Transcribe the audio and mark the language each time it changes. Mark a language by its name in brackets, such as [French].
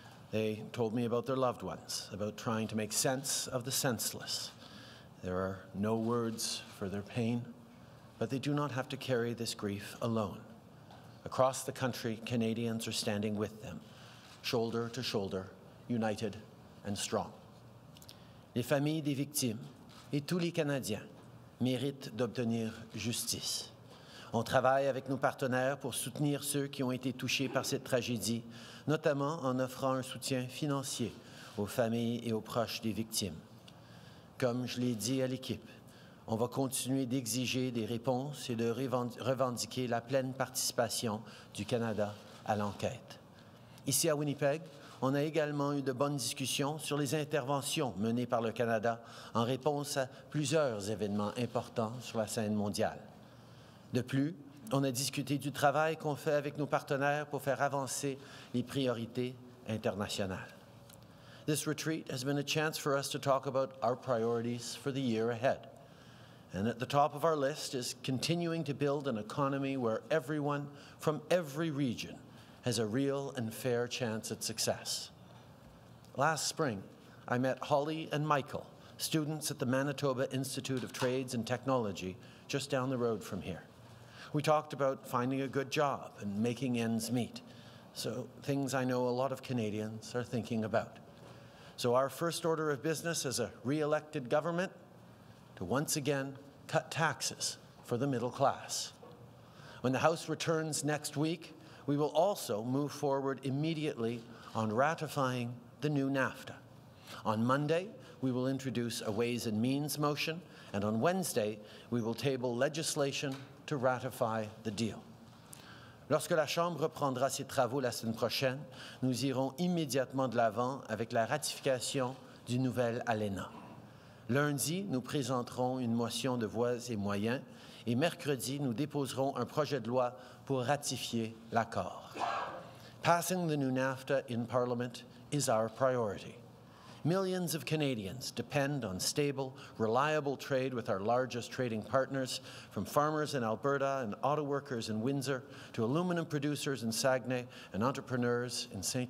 [English] They told me about their loved ones, about trying to make sense of the senseless. There are no words for their pain, but they do not have to carry this grief alone. Across the country, Canadians are standing with them, shoulder to shoulder, united and strong. [French] Les familles des victimes et tous les Canadiens méritent d'obtenir justice. On travaille avec nos partenaires pour soutenir ceux qui ont été touchés par cette tragédie, notamment en offrant un soutien financier aux familles et aux proches des victimes. Comme je l'ai dit à l'équipe, on va continuer d'exiger des réponses et de revendiquer la pleine participation du Canada à l'enquête. Ici à Winnipeg, on a également eu de bonnes discussions sur les interventions menées par le Canada en réponse à plusieurs événements importants sur la scène mondiale. De plus, on a discuté du travail qu'on fait avec nos partenaires pour faire avancer les priorités internationales. [English] This retreat has been a chance for us to talk about our priorities for the year ahead. And at the top of our list is continuing to build an economy where everyone from every region has a real and fair chance at success. Last spring, I met Holly and Michael, students at the Manitoba Institute of Trades and Technology, just down the road from here. We talked about finding a good job and making ends meet, so things I know a lot of Canadians are thinking about. So our first order of business as a re-elected government, to once again cut taxes for the middle class. When the House returns next week, we will also move forward immediately on ratifying the new NAFTA. On Monday, we will introduce a Ways and Means motion, and on Wednesday, we will table legislation to ratify the deal. [French] Lorsque la Chambre prendra ses travaux la semaine prochaine, nous irons immédiatement de l'avant avec la ratification du nouvel ALENA. Lundi, nous présenterons une motion de voies et moyens, et mercredi, nous déposerons un projet de loi pour ratifier l'accord. [English] Passing the new NAFTA in Parliament is our priority. Millions of Canadians depend on stable, reliable trade with our largest trading partners, from farmers in Alberta and auto workers in Windsor to aluminum producers in Saguenay and entrepreneurs in St.